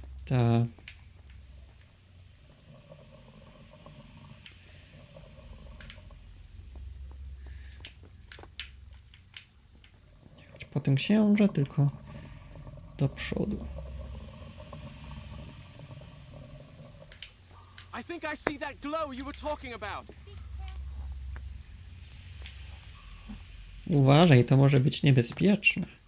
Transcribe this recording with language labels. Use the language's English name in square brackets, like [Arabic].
[Polish] Nie chodź po tym księżę, tylko do przodu. [English] I think I see that glow you were talking about. [Polish] Uważaj, to może być niebezpieczne.